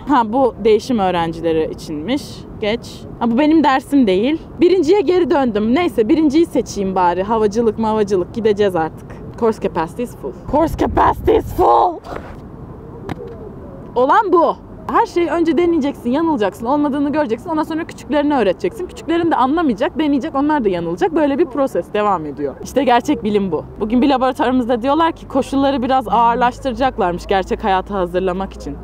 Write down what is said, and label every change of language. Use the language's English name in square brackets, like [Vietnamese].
[Turkish] Ha bu değişim öğrencileri içinmiş. Geç. Ha bu benim dersim değil. Birinciye geri döndüm. Neyse birinciyi seçeyim bari. Havacılık mı havacılık. Gideceğiz artık. [English] Course capacity is full. Course capacity is full! [Turkish] Olan bu. Her şeyi önce deneyeceksin, yanılacaksın, olmadığını göreceksin. Ondan sonra küçüklerini öğreteceksin. Küçüklerin de anlamayacak, deneyecek, onlar da yanılacak. Böyle bir proses devam ediyor. İşte gerçek bilim bu. Bugün bir laboratuvarımızda diyorlar ki koşulları biraz ağırlaştıracaklarmış gerçek hayata hazırlamak için.